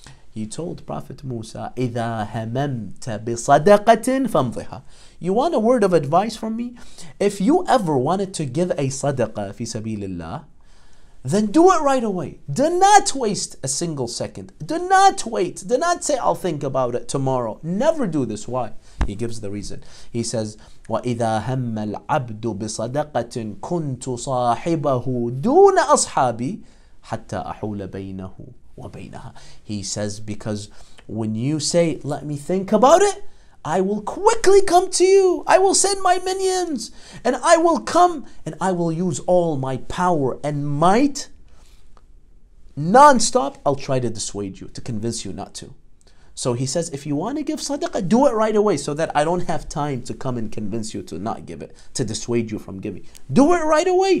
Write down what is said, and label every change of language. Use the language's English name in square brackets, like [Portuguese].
[English] He told Prophet Musa, [Arabic] إِذَا هَمَمْتَ بِصَدَقَةٍ فَمْضِهَا. [English] You want a word of advice from me? If you ever wanted to give a sadaqah fi sabilillah, then do it right away. Do not waste a single second. Do not wait. Do not say, I'll think about it tomorrow. Never do this. Why? He gives the reason. He says, [Arabic] وَإِذَا هَمَّ الْعَبْدُ بِصَدَقَةٍ كُنْتُ صَاحِبَهُ دُونَ أَصْحَابِ حَتَّى أَحُولَ بَيْنَهُ. [English] He says, because when you say, let me think about it, I will quickly come to you. I will send my minions and I will come and I will use all my power and might nonstop. I'll try to dissuade you, to convince you not to. So he says, if you want to give sadaqah, do it right away so that I don't have time to come and convince you to not give it, to dissuade you from giving. Do it right away.